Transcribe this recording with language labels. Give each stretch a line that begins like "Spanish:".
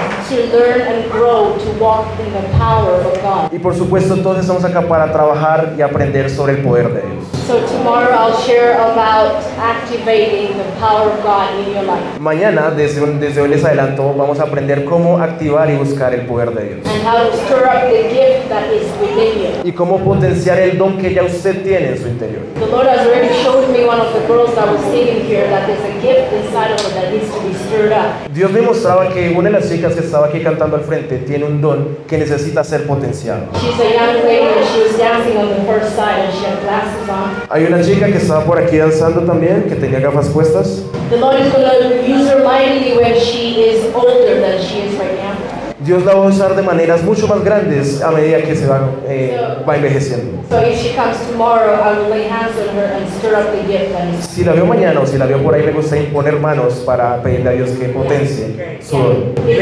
English: To learn and grow to walk in the power of God.
Spanish: Y por supuesto, entonces estamos acá para trabajar y aprender sobre el poder de Dios.
English: So tomorrow I'll share about activating the power of God in your life.
Spanish: Mañana, desde hoy les adelanto, vamos a aprender cómo activar y buscar el poder de Dios.
English: And how to stir up the gift that is within you.
Spanish: Y cómo potenciar el don que ya usted tiene en su interior.
English: The Lord has already showed me one of the girls that was sitting here that there's a gift inside of her that needs to be stirred up.
Spanish: Dios me mostraba que una de las chicas que estaba aquí cantando al frente tiene un don que necesita ser potenciado.
English: She's a young lady and she was dancing on the first side and she had glasses on.
Spanish: Hay una chica que estaba por aquí danzando también, que tenía gafas puestas.
English: The Lord is going to use her mightily when she is older than she is right now.
Spanish: Dios la va a usar de maneras mucho más grandes a medida que se va envejeciendo.
English: So if she comes tomorrow, I will lay hands on her and stir up the gift that is.
Spanish: Si la veo mañana o si la veo por ahí, me gusta imponer manos para pedirle a Dios que potencie su don.